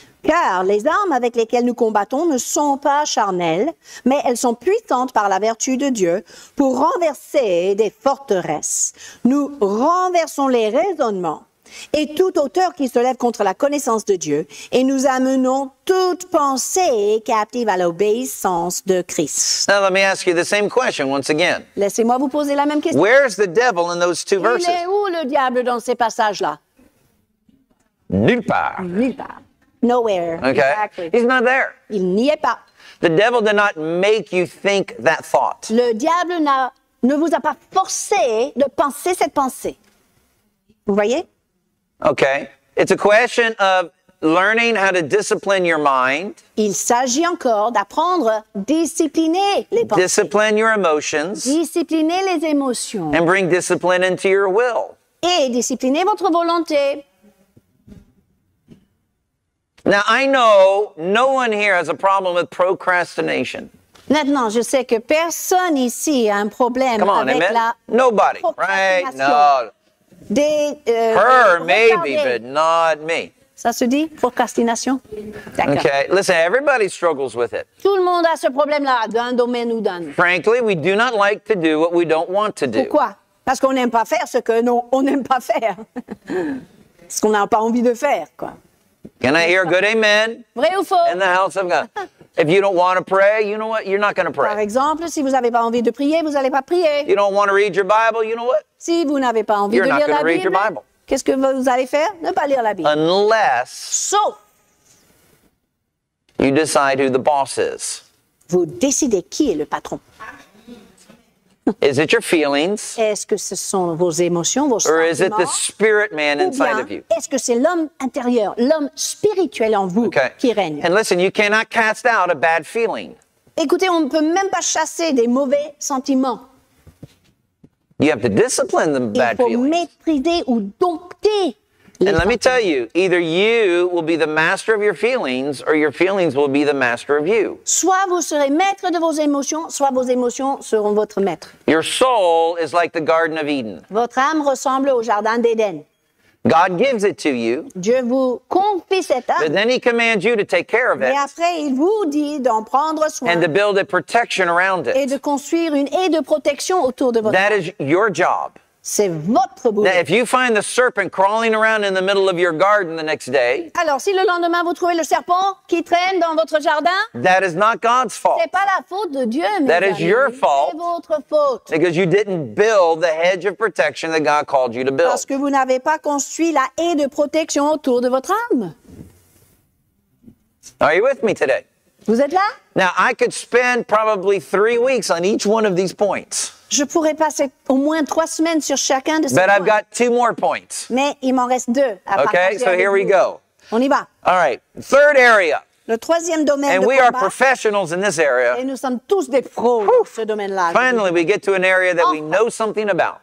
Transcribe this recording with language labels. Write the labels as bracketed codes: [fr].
[fr] Car les armes avec lesquelles nous combattons ne sont pas charnelles, mais elles sont puissantes par la vertu de Dieu pour renverser des forteresses. Nous renversons les raisonnements et toute hauteur qui se lève contre la connaissance de Dieu, et nous amenons toute pensée captive à l'obéissance de Christ. [en] Now let me ask you the same question once again. [fr] Laissez-moi vous poser la même question. [en] Where is the devil in those two verses? [fr] Il est où le diable dans ces passages-là? Nulle part. Nulle part. [en] Nowhere. Okay. Exactly. He's not there. [fr] Il n'y est pas. [en] The devil did not make you think that thought. [fr] Le diable ne vous a pas forcé de penser cette pensée. Vous voyez? [en] Okay. It's a question of learning how to discipline your mind. [fr] Il s'agit encore d'apprendre discipliner les pensées. [en] Discipline your emotions. [fr] Discipliner les émotions. [en] And bring discipline into your will. [fr] Et discipliner votre volonté. [en] Now I know no one here has a problem with procrastination. [fr] Maintenant, je sais que personne ici a un problème on, avec amen. La [en] nobody, right? No. Her, maybe, but not me. [fr] Ça se dit? Procrastination? D'accord. [en] Okay, listen, everybody struggles with it. [fr] Tout le monde a ce problème-là, d'un domaine ou d'un. [en] Frankly, we do not like to do what we don't want to do. [fr] Pourquoi? Parce qu'on n'aime pas faire ce que on n'aime pas faire. Ce qu'on n'a pas envie de faire, quoi. [en] Can I hear a good amen? [fr] Vrai ou faux? [en] In the house of God. If you don't want to pray, you know what? You're not going to pray. [fr] Par exemple, si vous n'avez pas envie de prier, vous n'allez pas prier. [en] You don't want to read your Bible, you know what? [fr] Si vous n'avez pas envie [en] you're [fr] de lire la Bible, [en] read your Bible, [fr] qu'est-ce que vous allez faire? Ne pas lire la Bible. [en] Unless. [fr] Sauf. [en] You decide who the boss is. [fr] Vous décidez qui est le patron. [en] Is it your feelings? [fr] Est-ce que ce sont vos émotions, vos [en] sentiments? Or is it the spirit man inside of you? [fr] Est-ce que c'est l'homme intérieur, l'homme spirituel en vous [en] okay. [fr] qui règne? [en] And listen, you cannot cast out a bad feeling. [fr] Écoutez, on ne peut même pas chasser des mauvais sentiments. [en] You have to discipline the bad feelings. [fr] Il faut maîtriser ou dompter. [en] And let me tell you, either you will be the master of your feelings or your feelings will be the master of you. [fr] Soit vous serez maître de vos émotions, soit vos émotions seront votre maître. [en] Your soul is like the Garden of Eden. [fr] Votre âme ressemble au Jardin d'Éden. [en] God gives it to you. [fr] Dieu vous confie cet âme. [en] But then he commands you to take care of it. [fr] Et après, il vous dit d'en prendre soin. [en] And to build a protection around it. [fr] Et de construire une haie de protection autour de votre [en] That is your job. [fr] C'est votre boulot. [en] Now, if you find the serpent crawling around in the middle of your garden the next day, [fr] alors si le lendemain vous trouvez le serpent qui traîne dans votre jardin, [en] that is not God's fault. [fr] C'est pas la faute de Dieu, mais [en] that is your fault. [fr] C'est votre faute. [en] Because you didn't build the hedge of protection that God called you to build. [fr] Parce que vous n'avez pas construit la haie de protection autour de votre âme. [en] Are you with me today? [fr] Vous êtes là? [en] Now I could spend probably 3 weeks on each one of these points. [fr] Je pourrais passer au moins 3 semaines sur chacun de ces [en] But [fr] points. [en] I've got two more points. [fr] Mais il m'en reste deux à [en] okay, [fr] partager. [en] Okay, so here [fr] vous. [en] We go. [fr] On y va. [en] All right, third area. [fr] Le troisième domaine [en] And [fr] de [en] we [fr] combat. [en] Are professionals in this area. [fr] Et nous sommes tous des pros dans ce domaine-là. [en] Finally, we get to an area that enfin, we know something about.